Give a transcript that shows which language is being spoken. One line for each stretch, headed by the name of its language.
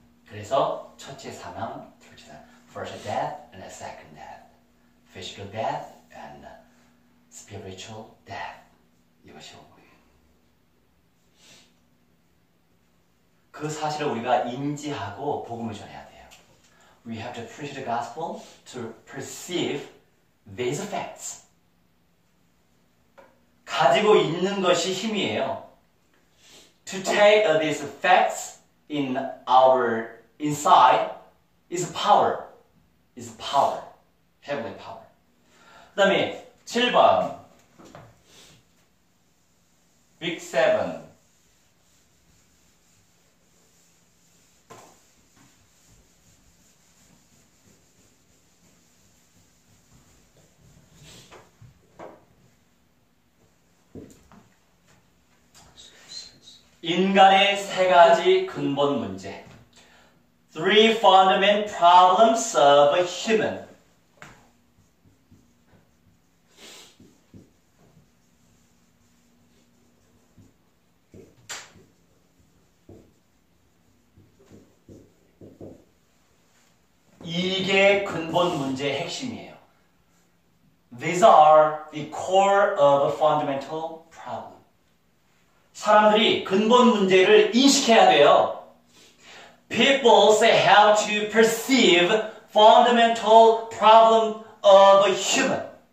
Korean: 그래서 첫째 사망, 둘째 사망,
English: first death and a second death, physical death and spiritual death.
Korean: 이것이 온 거예요. 그 사실을 우리가 인지하고 복음을 전해야 돼요.
English: We have to preach the gospel to perceive these facts.
Korean: 가지고 있는 것이 힘이에요.
English: To take these facts in our inside is power. Is power. Heavenly power.
Korean: 그 다음에 7번.
English: Big 7.
Korean: 인간의 세 가지 근본 문제.
English: Three fundamental problems of a human.
Korean: 이게 근본 문제의 핵심이에요.
English: These are the core of a fundamental problem.
Korean: 사람들이 근본 문제를 인식해야 돼요.
English: People have to perceive fundamental problem of a human.